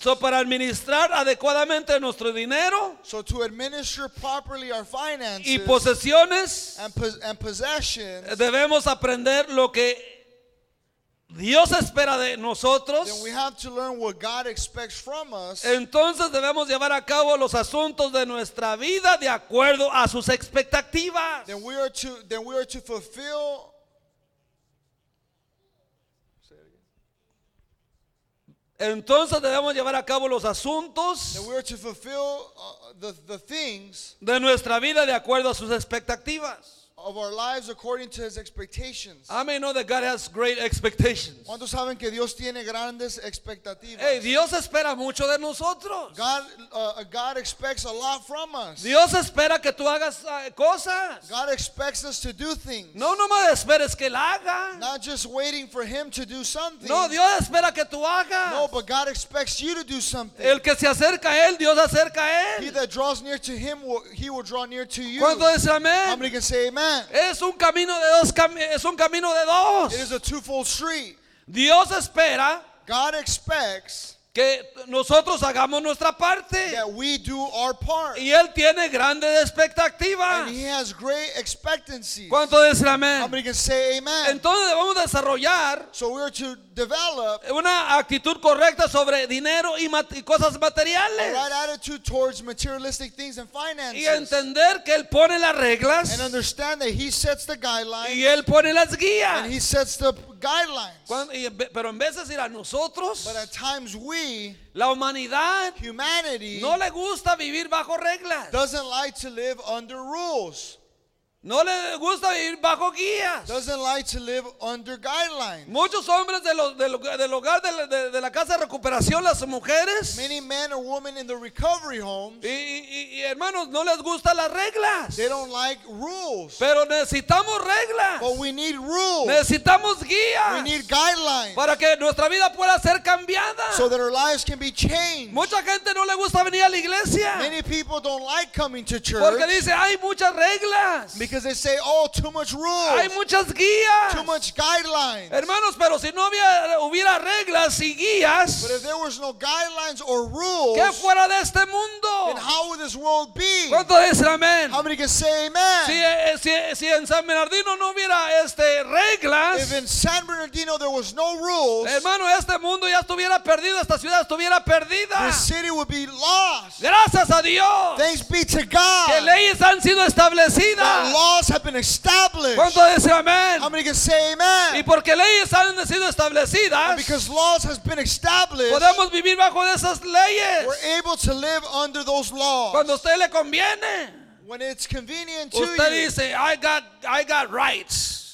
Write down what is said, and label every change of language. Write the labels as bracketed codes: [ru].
[es] So para administrar adecuadamente nuestro dinero. [en] So to administer properly our finances. [es] Y posesiones. [en] And possessions. [es] Debemos aprender lo que Dios espera de nosotros. [en] Then we have to learn what God expects from us. [es] Entonces debemos llevar a cabo los asuntos de nuestra vida de acuerdo a sus expectativas. [en] Then we are to fulfill. [es] Entonces debemos llevar a cabo los asuntos. [en] Then we are to fulfill the things [es] de nuestra vida de acuerdo a sus expectativas. [en] Of our lives according to his expectations. I may know that God has great expectations. [es] ¿Cuántos saben que Dios tiene grandes expectativas? Hey, Dios espera mucho de nosotros. [en] God expects a lot from us. [es] Dios espera que tú hagas cosas. [en] God expects us to do things. [es] No, no más esperes que él haga. [en] Not just waiting for him to do something. [es] No, Dios espera que tú hagas. [en] No, but God expects you to do something. [es] El que se acerca a él, Dios acerca a él. [en] He that draws near to him, he will draw near to you. [es] ¿Cuánto dice amén? [en] How many can say amen? [es] Es un camino de dos. [en] It is a twofold street. [es] Dios espera. [en] God expects [es] que nosotros hagamos nuestra parte. [en] That we do our part. [es] Y él tiene grandes expectativas. [en] And he has great expectancies. [es] ¿Cuánto dice amén? [en] Somebody can say amen. [es] Entonces debemos desarrollar. [en] So we are to develop [es] una actitud correcta sobre dinero y cosas materiales. [en] A right attitude towards materialistic things and finances. [es] Y entender que él pone las reglas. [en] And understand that he sets the guidelines. [es] Y él pone las guías. [en] And he sets the guidelines. [es] Pero en vez de decir a nosotros, [en] but at times we, [es] la humanidad, [en] humanity, [es] no le gusta vivir bajo reglas. [en] Doesn't like to live under rules. [es] No le gusta vivir bajo guías. [en] Doesn't like to live under guidelines. [es] Muchos hombres del hogar de la casa de recuperación, las mujeres. [en] Many men or women in the recovery homes. [es] Y hermanos, no les gusta las reglas. [en] They don't like rules. [es] Pero necesitamos reglas. [en] But we need rules. [es] Necesitamos guías. [en] We need guidelines. [es] Para que nuestra vida pueda ser cambiada. [en] So that our lives can be changed. [es] Mucha gente no le gusta venir a la iglesia. [en] Many people don't like coming to church. [es] Porque dice, hay muchas reglas. [en] Because they say, oh, too much rules. [es] Hay muchas guías. [en] Too much guidelines. [es] Hermanos, pero si no hubiera reglas y guías. [en] But if there was no guidelines or rules. [es] ¿Qué fuera de este mundo? [en] Then how would this world be? [es] ¿Cuánto dicen amén? [en] How many can say amen? [es] Si en San Bernardino no hubiera reglas. [en] If in San Bernardino there was no rules. [es] Hermano, este mundo ya estuviera perdido. Esta ciudad estuviera perdida. [en] This city would be lost. [es] Gracias a Dios. [en] Thanks be to God. [es] Que leyes han sido establecidas. [en] Laws have been established. [es] ¿Cuánto dice amén? [en] How many can say amen? [es] Y porque leyes han sido establecidas, [en] and because laws have been established, [es] podemos vivir bajo esas leyes. [en] We're able to live under those laws. [es] Cuando a usted le conviene, [en] when it's convenient to you, [es] usted dice, [en] I got rights.